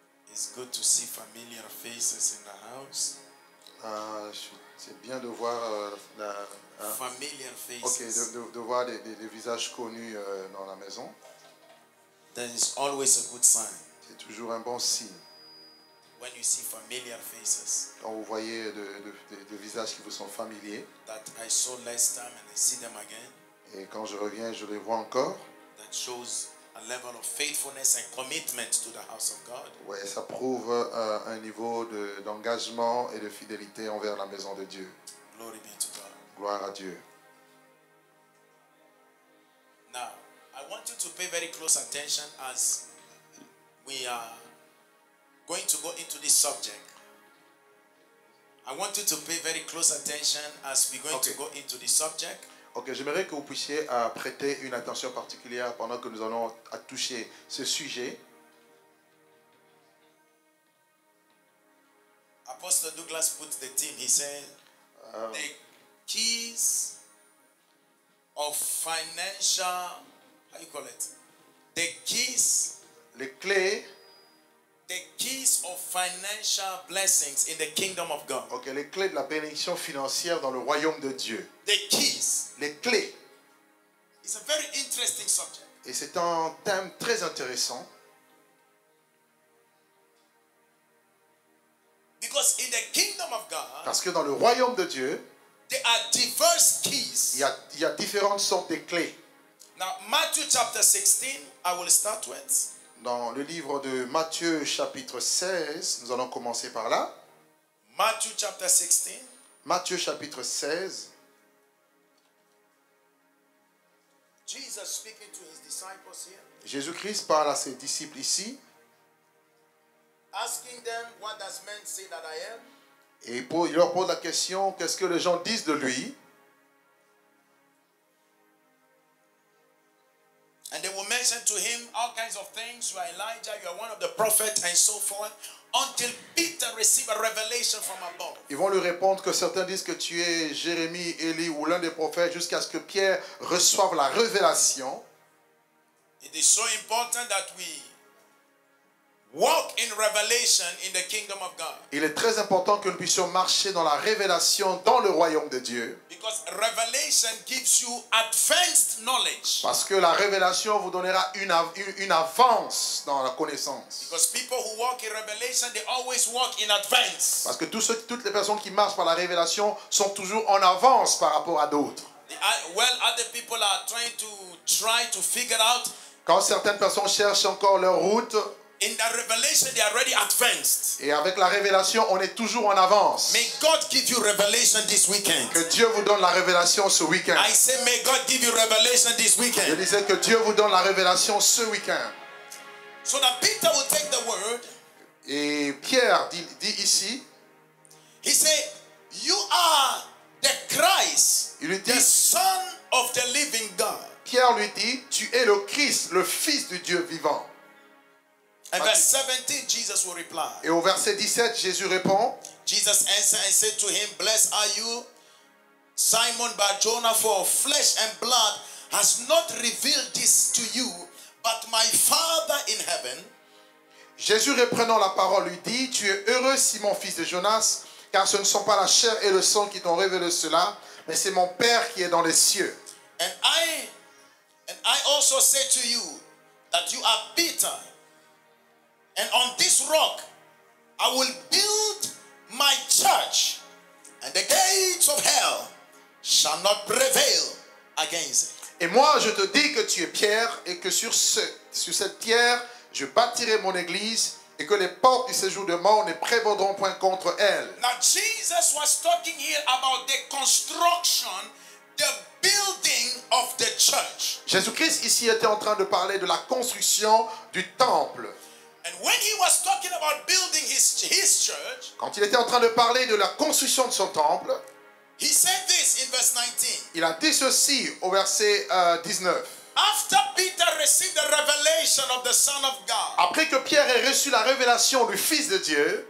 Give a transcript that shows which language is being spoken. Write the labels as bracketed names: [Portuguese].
[English] It's good to see familiar faces in the house. [French] C'est bien de voir [English] familiar faces. [French] Okay, de voir des visages connus dans la maison. [English] That is always a good sign. [French] C'est toujours un bon signe. [English] When you see familiar faces, [French] quand vous voyez de visages qui vous sont familiers, [English] that I saw last time and I see them again, [French] et quand je reviens, je les vois encore, [English] that shows a level of faithfulness and commitment to the house of God. [French] Ouais, ça prouve un niveau d'engagement et de fidélité envers la maison de Dieu. [English] Glory be to God. [French] Gloire à Dieu. [English] Now, I want you to pay very close attention as we are going to go into this subject. I want you to pay very close attention as we're going to go into the subject. [French] Ok, j'aimerais que vous puissiez prêter une attention particulière pendant que nous allons toucher ce sujet. [English] Apostle Douglas put the theme. He said, the keys of financial, how you call it? The keys of financial blessings in the kingdom of God. [French] Ok, les clés de la bénédiction financière dans le royaume de Dieu. [English] The keys. [French] Les clés. [English] It's a very interesting subject. [French] Et c'est un thème très intéressant. [English] Because in the kingdom of God, [French] parce que dans le royaume de Dieu, [English] there are diverse keys. [French] Il y a différentes sortes de clés. [English] Now, Matthew chapter 16, I will start with. [French] Dans le livre de Matthieu, chapitre 16, nous allons commencer par là. Matthieu, chapitre 16. Matthieu, chapitre 16. [English] Jesus speaking to his disciples here. [French] Jésus-Christ parle à ses disciples ici. [English] Asking them, what does men say that I am? [French] Et pour, il leur pose la question, qu'est-ce que les gens disent de lui? [English] And they will mention to him all kinds of things. You are Elijah, you are one of the prophets, and so forth. Until Peter received a revelation from above. [French] Ils vont lui répondre que certains disent que tu es Jérémie, Élie ou l'un des prophètes jusqu'à ce que Pierre reçoive la révélation. [English] It is so important that we walk in revelation in the kingdom of God. [French] Il est très important que nous puissions marcher dans la révélation dans le royaume de Dieu. [English] Because revelation gives you advanced knowledge. [French] Parce que la révélation vous donnera une avance dans la connaissance. [English] Because people who walk in revelation, they always walk in advance. [French] Parce que toutes les personnes qui marchent par la révélation sont toujours en avance par rapport à d'autres. [English] Well, other people are trying to figure out. [French] Quand certaines personnes cherchent encore leur route. [English] In that revelation, they are already advanced. [French] Et avec la révélation, on est toujours en avance. [English] May God give you revelation this weekend. [French] Que Dieu vous donne la révélation ce week-end. [English] I say, may God give you revelation this weekend. [French] Je disais que Dieu vous donne la révélation ce week-end. [English] So that Peter will take the word. [French] Et Pierre dit ici. [English] He said, you are the Christ, [French] il lui dit, [English] the Son of the Living God. [French] Pierre lui dit, tu es le Christ, le Fils du Dieu vivant. [English] And verse 17, Jesus will reply. [French] Et au verset 17, Jésus répond. [English] Jesus answered and said to him, blessed are you, Simon Barjona, for flesh and blood has not revealed this to you, but my Father in heaven. [French] Jésus reprenant la parole lui dit, tu es heureux Simon, fils de Jonas, car ce ne sont pas la chair et le sang qui t'ont révélé cela, mais c'est mon Père qui est dans les cieux. [English] And I also say to you that you are Peter. And on this rock, I will build my church, and the gates of hell shall not prevail against it. [French] Et moi, je te dis que tu es Pierre, et que sur cette pierre, je bâtirai mon église, et que les portes du séjour de mort ne prévaudront point contre elle. [English] Now, Jesus was talking here about the construction, the building of the church. [French] Jésus-Christ ici était en train de parler de la construction du temple. [English] And when he was talking about building his church, [French] quand il était en train de parler de la construction de son temple, [English] he said this in verse 19. [French] Il a dit ceci au verset 19. [English] After Peter received the revelation of the Son of God, [French] après que Pierre ait reçu la révélation du Fils de Dieu,